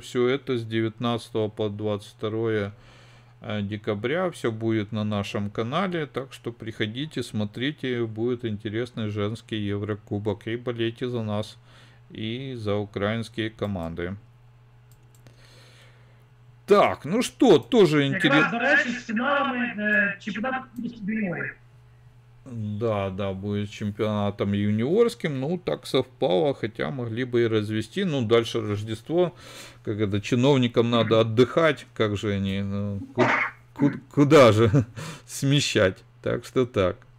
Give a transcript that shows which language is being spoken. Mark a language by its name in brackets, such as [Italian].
[Russian] Все это с 19 по 22 декабря. Все будет на нашем канале, так что приходите, смотрите, будет интересный женский Еврокубок и болейте за нас и за украинские команды. Так, ну что, тоже [Ukrainian] Якраз [Russian] интересно. [Ukrainian] до речі, з фіналами чемпіонату юніорів. [Russian] Да, будет чемпионатом юниорским, ну так совпало, хотя могли бы и развести, ну дальше Рождество, как это, чиновникам надо отдыхать, как же они, ну, куда же смещать, так что так.